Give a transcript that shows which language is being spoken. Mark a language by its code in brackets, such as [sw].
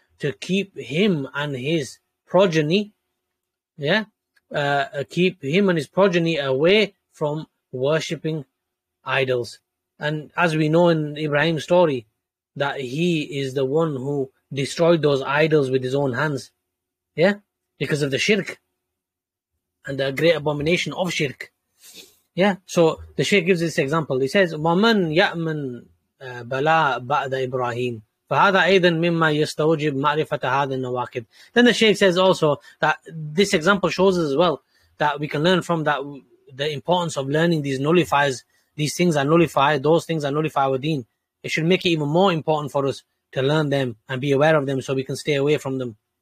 [en] to keep him and his progeny, keep him and his progeny away from worshipping idols. And as we know in Ibrahim's story, that he is the one who destroyed those idols with his own hands, because of the shirk and the great abomination of shirk. So the Shaykh gives this example. He says, [ar] وَمَنْ يَأْمَنْ بَلَاءَ بَعْدَ إِبْرَاهِيمُ فَهَذَا أَيْضًا مِمَّا يَسْتَوْجِبْ مَعْرِفَةَ هَذَا النَّوَاقِدِ. [en] Then the Shaykh says also that this example shows us as well that we can learn from that the importance of learning these nullifiers. These things are nullified, those things are nullified with deen. It should make it even more important for us to learn them and be aware of them so we can stay away from them.